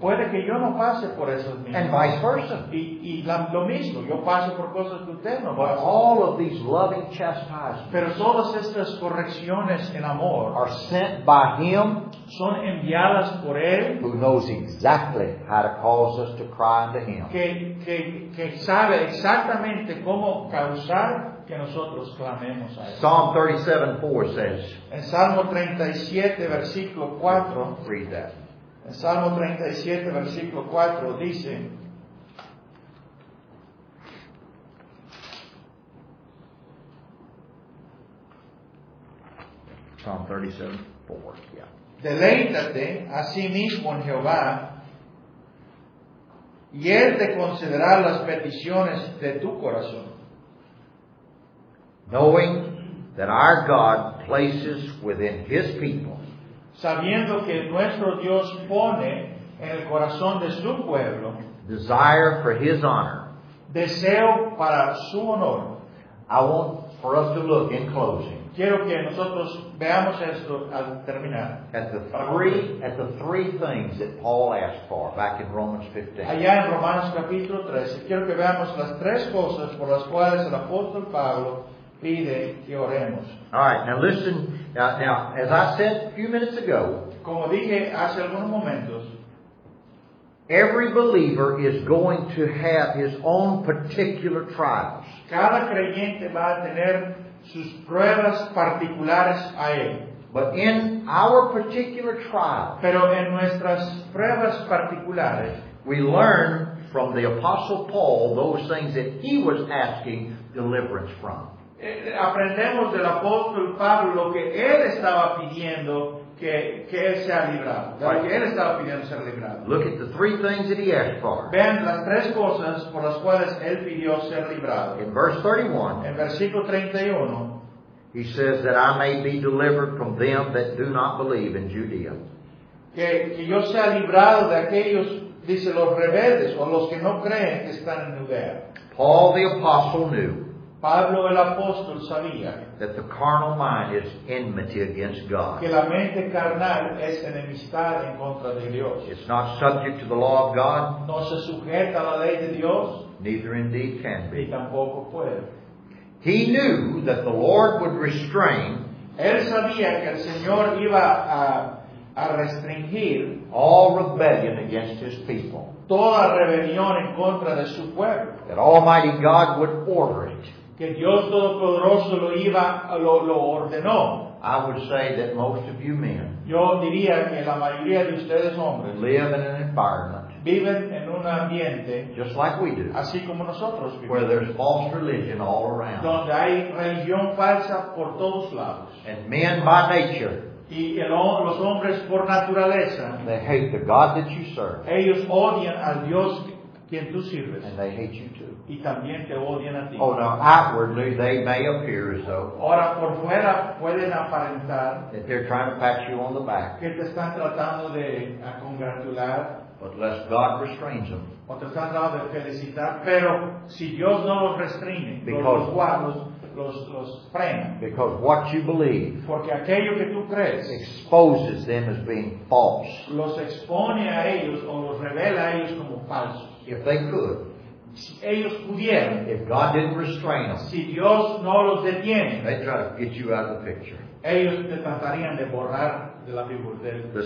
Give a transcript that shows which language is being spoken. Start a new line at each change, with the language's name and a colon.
Spanish: Puede que yo no pase por eso mismo.
English: And vice versa.
Spanish: Y lo mismo, yo paso por cosas que usted no pasa.
English: All of these loving chastisements,
Spanish: pero todas estas correcciones en amor,
English: are sent by him,
Spanish: son enviadas por él,
English: who knows exactly how to cause us to cry unto him.
Spanish: Que sabe exactamente cómo causar que nosotros clamemos a él.
English: Psalm 37:4 says.
Spanish: En Salmo 37 versículo 4.
English: Read that.
Spanish: En Salmo 37 versículo 4 dice.
English: Psalm 37:4. Yeah.
Spanish: Deleítate a sí mismo en Jehová y él te concederá las peticiones de tu corazón.
English: Knowing that our God places within his people,
Spanish: sabiendo que nuestro Dios pone en el corazón de su pueblo,
English: desire for his honor,
Spanish: deseo para su honor,
English: I want for us to look in closing,
Spanish: quiero que nosotros veamos esto al terminar,
English: at the three things that Paul asked for back in Romans 15.
Spanish: Allá en Romanos capítulo 13, quiero que veamos las tres cosas por las cuales el apóstol Pablo pide que oremos.
English: All right, now listen. Now, as I said a few minutes ago,
Spanish: como dije hace algunos momentos,
English: every believer is going to have his own particular trials.
Spanish: Cada creyente va a tener sus pruebas particulares a él.
English: But in our particular trial,
Spanish: pero en nuestras pruebas particulares,
English: we learn from the Apostle Paul those things that he was asking deliverance from.
Spanish: Aprendemos del apóstol Pablo lo que él estaba pidiendo que él sea librado.
English: Right.
Spanish: Lo que él estaba pidiendo ser librado.
English: Look at the three things that he asked for.
Spanish: Vean las tres cosas por las cuales él pidió ser librado.
English: In verse 31,
Spanish: en versículo 31,
English: he says that I may be delivered from them that do not believe in Judea.
Spanish: Que yo sea librado de aquellos, dice, los rebeldes o los que no creen que están en Judea.
English: Paul the apostle knew
Spanish: Pablo el apóstol sabía
English: that the carnal mind is enmity against God.
Spanish: Que la mente carnal es enemistad en contra de Dios.
English: It's not subject to the law of God.
Spanish: No se sujeta a la ley de Dios.
English: Neither indeed can be.
Spanish: Y tampoco puede.
English: He knew that the Lord would restrain.
Spanish: Él sabía que el Señor iba a restringir
English: all rebellion against his people.
Spanish: Toda rebelión en contra de su pueblo.
English: That Almighty God would order it.
Spanish: Que Dios Todopoderoso lo ordenó.
English: I would say that most of you men,
Spanish: yo diría que la mayoría de ustedes hombres,
English: live in an environment,
Spanish: viven en un ambiente,
English: just like we do,
Spanish: así como nosotros vivimos,
English: where there's false religion all around,
Spanish: donde hay religión falsa por todos lados,
English: and men by nature,
Spanish: y los hombres por naturaleza,
English: they hate the God that you serve,
Spanish: ellos odian al Dios quien tú sirves,
English: and they hate you too.
Spanish: Y también te odian a ti.
English: Oh, now outwardly they may appear as though.
Spanish: Ahora por fuera pueden aparentar.
English: That they're trying to pat you on the back.
Spanish: Que te están tratando de congratular.
English: But lest God restrains them.
Spanish: O te están tratando de felicitar, pero si Dios no los restringe, los frena.
English: Because what you believe.
Spanish: Porque aquello que tú crees.
English: Exposes them as being false.
Spanish: Los expone a ellos o los revela a ellos como falsos.
English: If they could.
Spanish: Si ellos pudieran,
English: if God didn't restrain them,
Spanish: si Dios no los detiene,
English: they'd try to get you out of the picture.
Spanish: Ellos te tratarían de borrar de la Biblia,